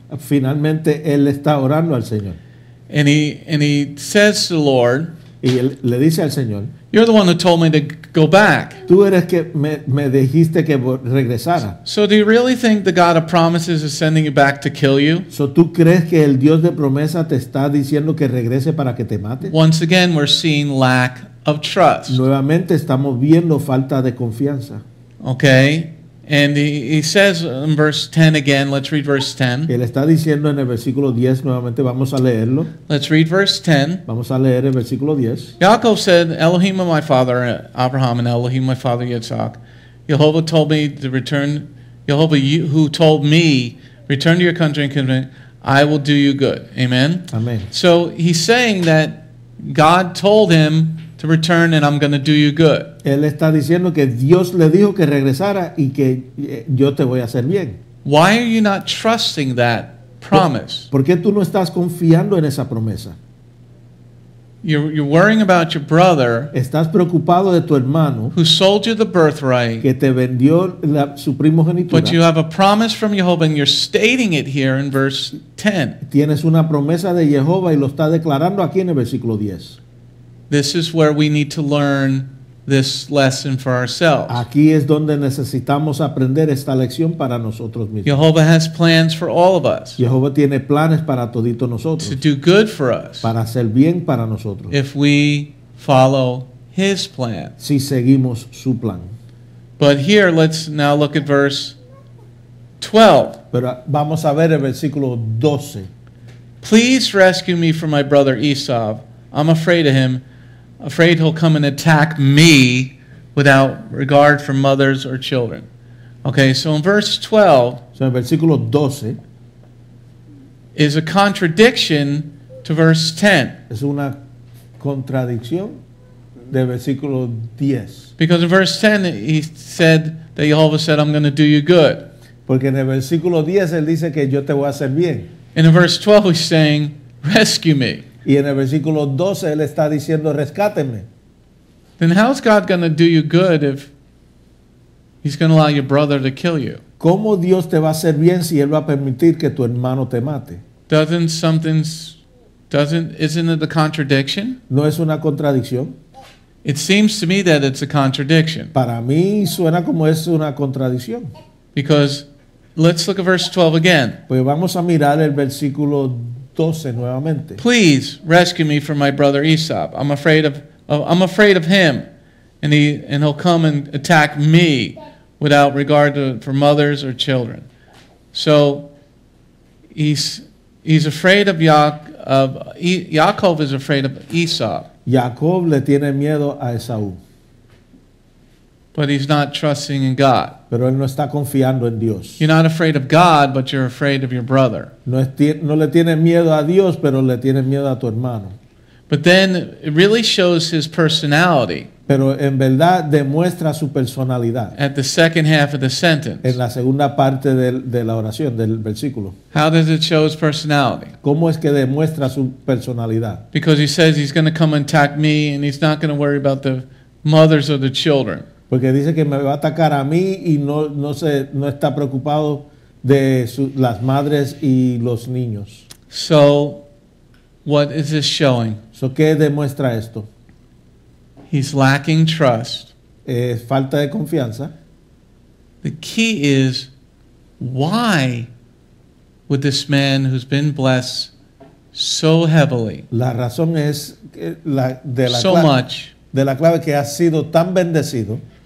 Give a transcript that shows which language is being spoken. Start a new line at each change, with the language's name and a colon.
Spanish: Finalmente él está orando al Señor.
English: And he says to the Lord,
Spanish: y él le dice al Señor,
English: you're the one who told me to go back.
Spanish: Tú eres que me dijiste que regresara.
English: So do you really think the God of promises is sending you back to kill you?
Spanish: So tú crees que el Dios de promesa te está diciendo que regrese para que te mate?
English: Once again, we're seeing lack of trust.
Spanish: Nuevamente estamos viendo falta de confianza.
English: Okay. And he says in verse 10 again, let's read verse 10.
Spanish: Él está diciendo en el versículo 10, nuevamente vamos a leerlo.
English: Let's read verse 10.
Spanish: Vamos a leer el versículo 10.
English: Yaakov said, Elohim of my father, Abraham, and Elohim my father, Yitzhak, Jehovah told me to return, Jehovah who told me, return to your country and kinsmen, I will do you good. Amen? Amen. So he's saying that God told him, return and I'm going to do you good.
Spanish: Él está diciendo que Dios le dijo que regresara y que yo te voy a hacer bien.
English: Why are you not trusting that promise?
Spanish: ¿Por qué tú no estás confiando en esa promesa?
English: You're worrying about your brother.
Spanish: Estás preocupado de tu hermano.
English: Who sold you the birthright?
Spanish: Que te vendió su primogenitura.
English: But you have a promise from Jehovah and you're stating it here in verse 10.
Spanish: Tienes una promesa de Jehová y lo está declarando aquí en el versículo 10.
English: This is where we need to learn this lesson for ourselves.
Spanish: Aquí es donde necesitamos aprender esta lección para nosotros mismos.
English: Jehovah has plans for all of us.
Spanish: Jehovah tiene planes para todito nosotros.
English: To do good for us.
Spanish: Para hacer bien para nosotros.
English: If we follow his plan.
Spanish: Si seguimos su plan.
English: But here, let's now look at verse 12.
Spanish: Pero vamos a ver el versículo 12.
English: Please rescue me from my brother Esau. I'm afraid of him, afraid he'll come and attack me without regard for mothers or children. Okay, so in verse 12,
Spanish: so versículo 12
English: is a contradiction to verse 10.
Spanish: Es una contradicción de versículo 10.
English: Because in verse 10 he said that Jehovah said, I'm going to do you good.
Spanish: Porque en el versículo 10 él dice que yo te voy a hacer bien.
English: In verse 12 he's saying, rescue me.
Spanish: Y en el versículo 12 él está diciendo rescátenme.
English: Then how is God going to do you good if he's going to allow your brother to kill you?
Spanish: ¿Cómo Dios te va a hacer bien si él va a permitir que tu hermano te mate?
English: Isn't it a contradiction?
Spanish: ¿No es una contradicción?
English: It seems to me that it's a contradiction.
Spanish: Para mí suena como es una contradicción.
English: Because Let's look at verse 12 again.
Spanish: Pues vamos a mirar el versículo 12 nuevamente.
English: Please rescue me from my brother Esau. I'm afraid of him, and he'll come and attack me without regard for mothers or children. So he's afraid of Yaakov is afraid of Esau.
Spanish: Jacob le tiene miedo a Esau.
English: But he's not trusting in God.
Spanish: Pero él no está confiando en Dios.
English: You're not afraid of God, but you're afraid of your brother.
Spanish: No le tiene miedo a Dios, pero le tiene miedo a tu hermano.
English: But then it really shows his personality.
Spanish: Pero en verdad demuestra su personalidad.
English: At the second half of the sentence.
Spanish: En la segunda parte de la oración, del versículo.
English: How does it show his personality?
Spanish: ¿Cómo es que demuestra su personalidad?
English: Because he says he's going to come and attack me, and he's not going to worry about the mothers or the children.
Spanish: Porque dice que me va a atacar a mí y no está preocupado de las madres y los niños.
English: So, what is this showing?
Spanish: So, ¿qué demuestra esto?
English: He's lacking trust.
Spanish: Falta de confianza.
English: The key is, why would this man who's been blessed so heavily,
Spanish: la razón es la de la
English: so
Spanish: clave,
English: much,
Spanish: de la clave que ha sido tan bendecido.